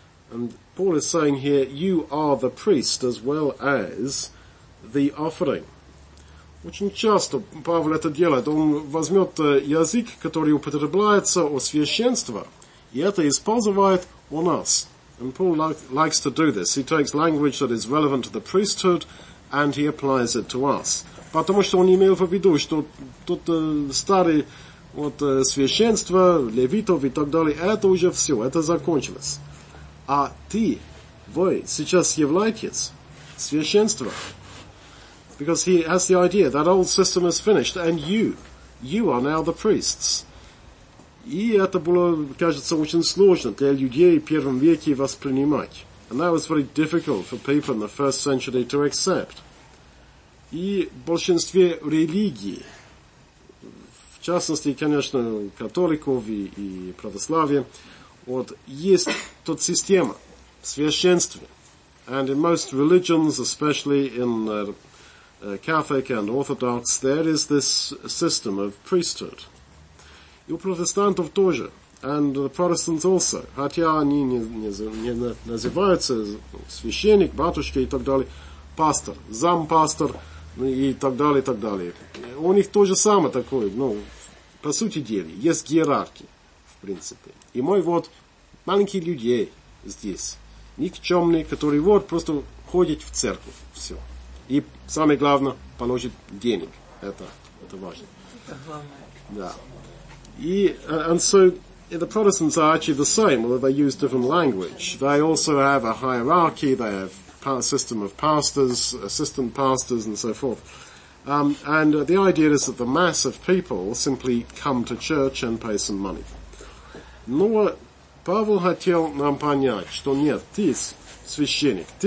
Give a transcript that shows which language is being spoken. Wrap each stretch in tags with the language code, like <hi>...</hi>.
<en>And Paul is saying here, you are the priest as well as the offering.</en> <ru>Очень часто Павел это делает. Он возьмет язык, который употребляется у священства, и это использует у нас.</ru> <en>And Paul likes to do this. He takes language that is relevant to the priesthood and he applies it to us.</en> <ru>Потому что он имел в виду, что тот старый вот священство, левитов и так далее, это уже все, это закончилось. А ты, вы, сейчас являетесь священством.</ru> <en>Because he has the idea that old system is finished and you are now the priests.</en> <ru>И это было, кажется, очень сложно для людей в первом веке воспринимать.</ru> <en>And that was very difficult for people in the first century to accept.</en> <ru>И большинстве религий, в частности, конечно, католиков и православия, вот, есть тот система священства.</ru> <en>And in most religions, especially in Catholic and Orthodox, there is this system of priesthood.</en> <ru>И у протестантов тоже,</ru> <en>and the Protestants also,</en> <ru>хотя они не называются священник, батюшка и так далее, пастор, зампастор и так далее, и так далее. У них тоже самое такое, ну, по сути дела, есть иерархия, в принципе. И мы вот маленькие люди здесь, никчемные, которые вот просто ходят в церковь, все. И самое главное, положить денег, это важно. Это главное. Да.</ru> <en>And so the Protestants are actually the same, although they use different language. They also have a hierarchy, they have a system of pastors, assistant pastors, and so forth. And the idea is that the mass of people simply come to church and pay some money.</en> <ru>Но Павел хотел нам понять, что нет, ты священник.</ru>